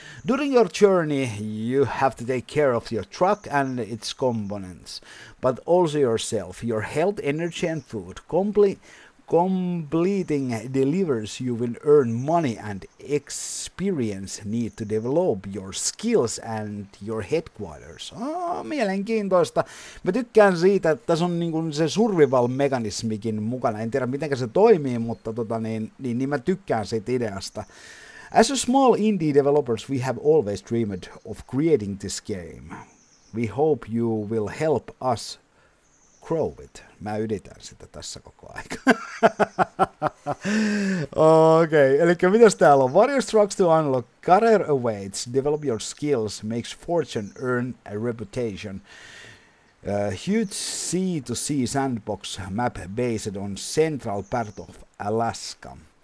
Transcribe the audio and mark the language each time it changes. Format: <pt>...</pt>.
<en>During your journey, you have to take care of your truck and its components, but also yourself, your health, energy and food. Completing deliveries, you will earn money and experience need to develop your skills and your headquarters.</en> <fi>Oh, mielenkiintoista. Mä tykkään siitä, että tässä on niinku se survival-mekanismikin mukana. En tiedä, miten se toimii, mutta mä tykkään siitä ideasta.</fi> <en>As a small indie developers, we have always dreamed of creating this game. We hope you will help us grow it.</en> <fi>Mä yritän sitä tässä koko aika. Okei, elikkä mitäs täällä on?</fi> <en>Various trucks to unlock, career awaits, develop your skills, makes fortune, earn a reputation. Huge sea to sea sandbox map based on central part of Alaska.</en>